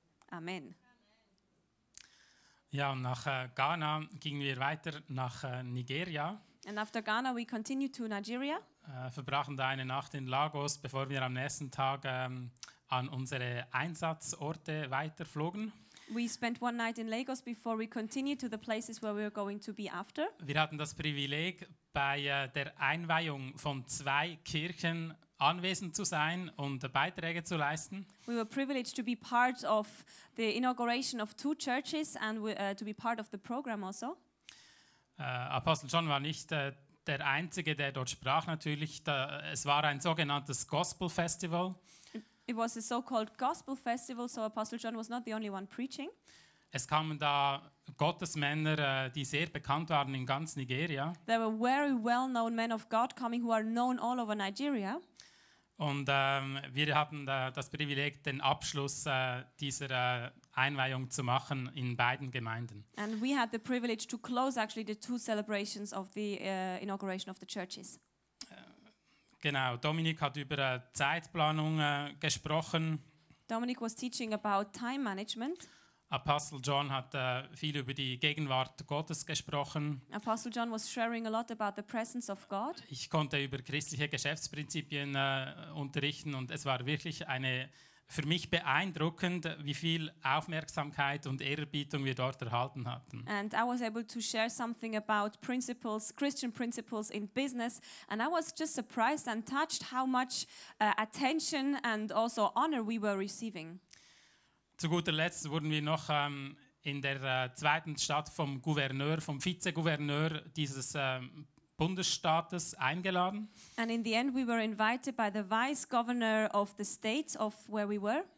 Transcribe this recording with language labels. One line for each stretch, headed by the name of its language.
English: Amen.
German: Ja, und nach Ghana gingen wir weiter nach Nigeria.
English: And after Ghana we continued to Nigeria.
German: Verbrachen da eine Nacht in Lagos, bevor wir am nächsten Tag an unsere Einsatzorte weiterflogen.
English: We spent one night in Lagos before we continued to the places where we were going to be after.
German: Wir hatten das Privileg, bei der Einweihung von zwei Kirchen anwesend zu sein und Beiträge zu leisten.
English: We were privileged to be part of the inauguration of two churches and to be part of the program also.
German: Apostel John war nicht der Einzige, der dort sprach natürlich. Es war ein sogenanntes Gospel Festival.
English: It was a so-called Gospel Festival, so Apostle John was not the only one preaching.
German: Es kamen da Gottesmänner, die sehr bekannt waren in ganz Nigeria.
English: There were very well-known men of God coming, who are known all over Nigeria.
German: Und wir hatten das Privileg, den Abschluss dieser Einweihung zu machen in beiden Gemeinden.
English: And we had the privilege to close actually the two celebrations of the inauguration of the churches.
German: Genau, Dominik hat über Zeitplanung gesprochen.
English: Dominik was teaching about time management.
German: Apostle John hat viel über die Gegenwart Gottes gesprochen.
English: Apostle John was sharing a lot about the presence of God.
German: Ich konnte über christliche Geschäftsprinzipien unterrichten und es war wirklich eine für mich beeindruckend, wie viel Aufmerksamkeit und Ehrerbietung wir dort erhalten hatten.
English: And I was able to share something about principles, Christian principles in business, and I was just surprised and touched how much attention and also honor we were receiving.
German: Zu guter Letzt wurden wir noch in der zweiten Stadt vom Gouverneur, vom Vizegouverneur dieses Bundesstaates eingeladen.
English: And in the end we were invited by the vice governor of the state of where we were.